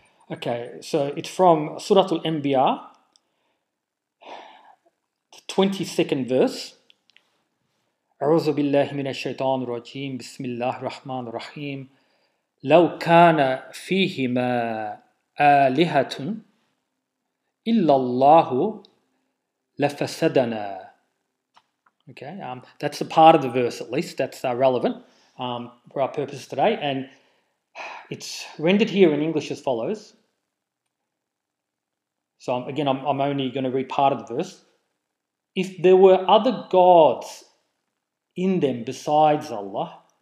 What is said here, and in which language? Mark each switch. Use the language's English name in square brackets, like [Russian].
[English] Okay, so it's from Surah Al-Anbiya, the 22nd verse. [Arabic] أعوذ بالله من الشيطان الرجيم بسم الله الرحمن الرحيم لو كان فيهما آلهة إلا الله لفسدنا. [English] Okay, that's a part of the verse at least that's relevant for our purpose today, and it's rendered here in English as follows. So I'm only going to read part of the verse. If there were other gods in them besides Allah,